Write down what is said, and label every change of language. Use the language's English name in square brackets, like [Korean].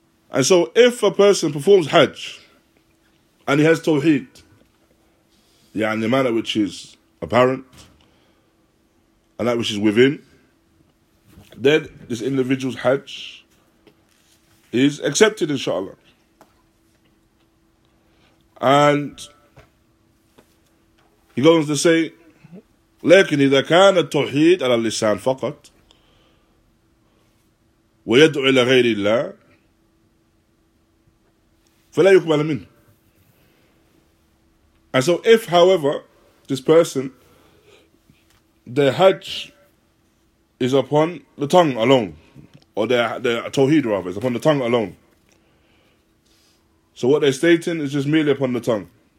[English] And so if a person performs Hajj and he has Tawheed, yeah, in the manner which is apparent and that which is within, then this individual's Hajj is accepted, inshallah. And he goes to say, [Arabic] لكن إذا كان التوحيد على اللسان فقط ويدعو إلى غير الله فلا يقبل منه. [English] And so if, however, this person, their Hajj is upon the tongue alone, or their Tawheed rather, is upon the tongue alone. So what they're stating is just merely upon the tongue.